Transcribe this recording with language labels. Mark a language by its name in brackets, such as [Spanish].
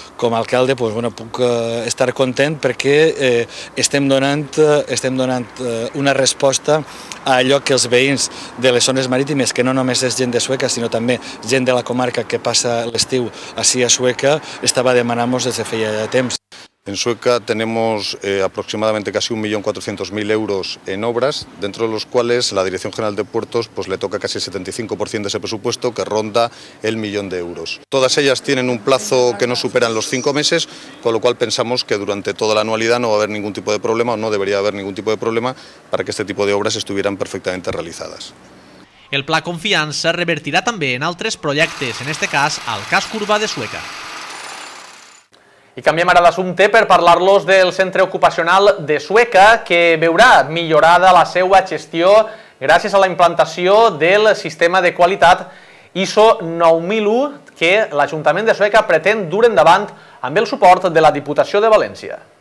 [Catalan] Com a alcalde puc estar content perquè estem donant una resposta a allò que els veïns de les zones marítimes, que no només és gent de Sueca, sinó també gent de la comarca que passa l'estiu ací a Sueca, estava demanant-nos des de feia temps. [Spanish] En Sueca tenemos aproximadamente casi 1.400.000 euros en obras, dentro de los cuales la Dirección General de Puertos pues, le toca casi el 75% de ese presupuesto, que ronda el 1.000.000 de euros. Todas ellas tienen un plazo que no superan los 5 meses, con lo cual pensamos que durante toda la anualidad no va a haber ningún tipo de problema, o no debería haber ningún tipo de problema, para que este tipo de obras estuvieran perfectamente realizadas. [Catalan] El Pla Confiança revertirà també en altres projectes, en este cas al casc urbà de Sueca. I canviem ara d'assumpte per parlar-los del centre ocupacional de Sueca, que veurà millorada la seva gestió gràcies a la implantació del sistema de qualitat ISO 9001 que l'Ajuntament de Sueca pretén dur endavant amb el suport de la Diputació de València.